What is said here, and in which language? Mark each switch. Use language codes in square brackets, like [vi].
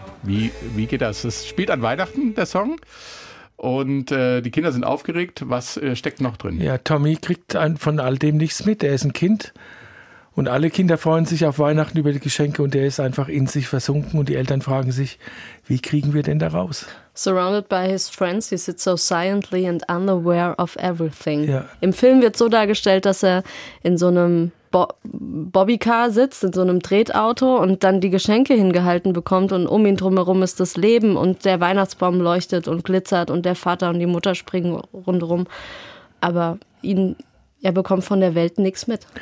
[de] Wie geht das? Es spielt an Weihnachten, der Song, und die Kinder sind aufgeregt. Was steckt noch drin? Ja, Tommy kriegt von all dem nichts mit. Er ist ein Kind und alle Kinder freuen sich auf Weihnachten über die Geschenke und er ist einfach in sich versunken und die Eltern fragen sich, wie kriegen wir denn da raus? [en] Surrounded by his friends, he sits so silently and unaware of everything. [de] Ja. Im Film wird so dargestellt, dass er in so einem Bobbycar sitzt, in so einem Tretauto und dann die Geschenke hingehalten bekommt und um ihn drumherum ist das Leben und der Weihnachtsbaum leuchtet und glitzert und der Vater und die Mutter springen rundherum. Aber er bekommt von der Welt nichts mit.